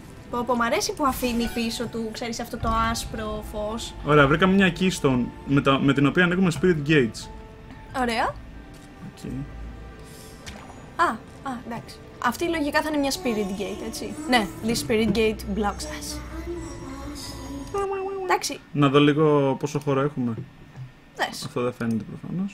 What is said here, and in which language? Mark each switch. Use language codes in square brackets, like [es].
[el] Πω, μ' αρέσει που αφήνει πίσω του, ξέρεις, αυτό το άσπρο φως. Ωραία, βρήκαμε μια keystone με την οποία ανοίγουμε spirit gates. Ωραία. [en] Okay. [el] Α, εντάξει. Αυτή λογικά θα είναι μια spirit gate, έτσι. Ναι, [en] this spirit gate blocks us. [el] Εντάξει. Να δω λίγο πόσο χώρο έχουμε. Δες. Αυτό δεν φαίνεται προφανώς.